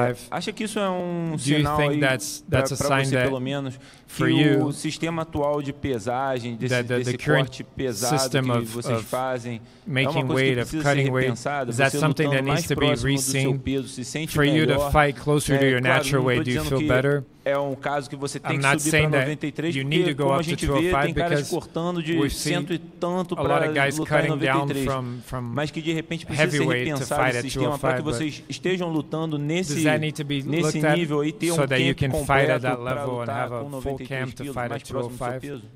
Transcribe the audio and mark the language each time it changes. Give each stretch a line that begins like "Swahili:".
Portuguese: Acha que isso é um sinal aí para você,
English: that,
Portuguese: pelo menos, que o sistema atual de pesagem, desse corte pesado que vocês fazem, é uma coisa que precisa ser repensada? Você lutando mais próximo do seu peso, se sente melhor?
English: For you to fight closer to your natural weight, do you feel better?
Portuguese: É um caso que você tem que subir para 93, porque como a gente vê, tem caras cortando de cento e tanto para lutar em 93, mas que de repente precisa ser repensado esse sistema para que vocês estejam lutando nesse nível e ter um tempo completo para lutar com 93 quilos, mais próximo do seu peso.